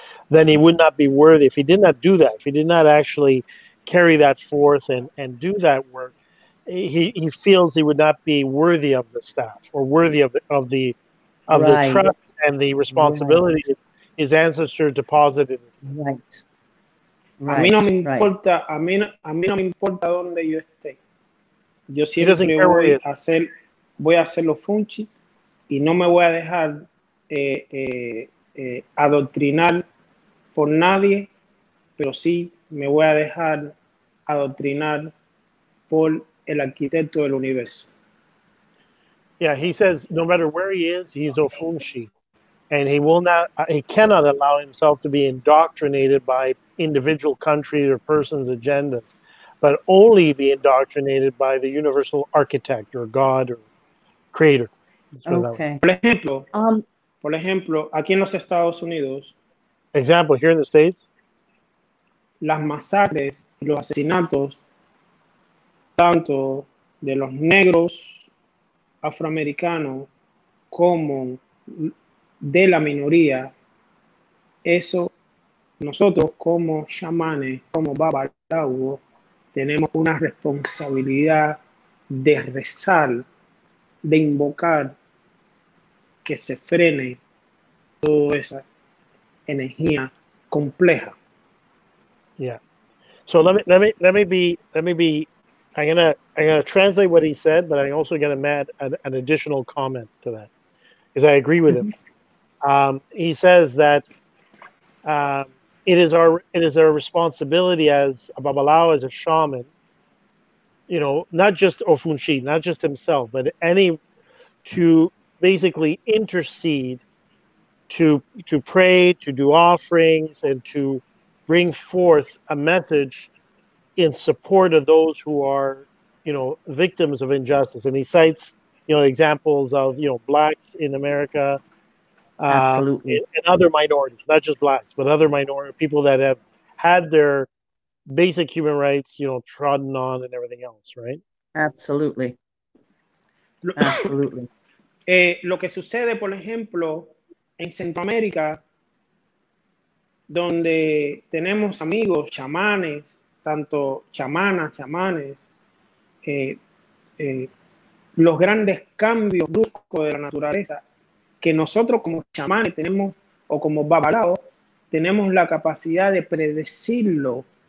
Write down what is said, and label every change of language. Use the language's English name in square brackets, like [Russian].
[English] then he would not be worthy if he did not do that, if he did not actually carry that forth and do that work, he feels he would not be worthy of the staff or worthy of the trust and the responsibility his ancestor deposited. Right. [Spanish] A mí no me importa donde yo esté. Yo siempre voy a hacer los funchi y no me voy a dejar adoctrinar por nadie pero sí me voy a dejar adoctrinar por el arquitecto del universo. [English] Yeah, he says no matter where he is, he's Ofunshi, and he will not, he cannot allow himself to be indoctrinated by individual countries or persons' agendas, but only be indoctrinated by the universal architect or God or creator. Okay. [Spanish] Por ejemplo, aquí en los Estados Unidos. [English] Example here in the States. [Spanish] Las masacres y los asesinatos tanto de los negros afroamericano como de la minoría, eso nosotros como chamanes, como babalawo, tenemos una responsabilidad de rezar, de invocar que se frene toda esa energía compleja. [English] Yeah. So let me be I'm gonna translate what he said, but I'm also gonna add an additional comment to that, because I agree with him. He says that it is our responsibility as a babalawo, as a shaman, you know, not just Ofunshi, not just himself, but any, to basically intercede, to pray, to do offerings, and to bring forth a message in support of those who are, you know, victims of injustice. And he cites, you know, examples of, you know, blacks in America. Absolutely. And other minorities, not just blacks, but other minority people that have had their basic human rights, you know, trodden on and everything else, right? Absolutely. Absolutely. [Spanish] Lo que sucede, por ejemplo, en Centroamérica, donde tenemos amigos, chamanes, tanto chamanas, chamanes, los grandes cambios bruscos de la naturaleza que nosotros como chamanes tenemos, o como babalao, tenemos la capacidad de predecirlo.